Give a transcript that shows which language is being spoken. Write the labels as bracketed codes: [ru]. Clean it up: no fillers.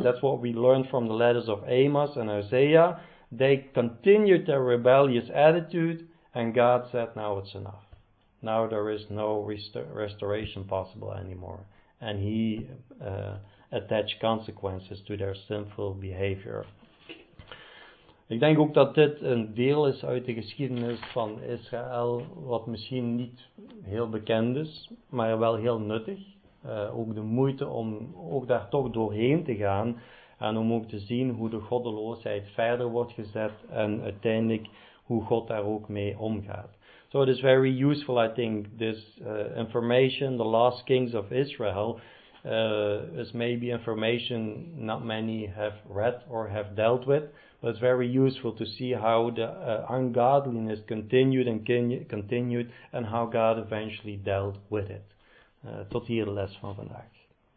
[en] That's what we learned from the letters of Amos and Isaiah. They continued their rebellious attitude. And God said, now it's enough. Now there is no restoration possible anymore. And he attached consequences to their sinful behavior. [nl] Ik denk ook dat dit een deel is uit de geschiedenis van Israël, wat misschien niet heel bekend is, maar wel heel nuttig. Ook de moeite om ook daar toch doorheen te gaan en om ook te zien hoe de goddeloosheid verder wordt gezet en uiteindelijk hoe God daar ook mee omgaat. [en] So it is very useful, I think, this information, the last kings of Israel, is maybe information not many have read or have dealt with. But it's very useful to see how the ungodliness continued and continued and how God eventually dealt with it. [nl] Tot hier de les van vandaag.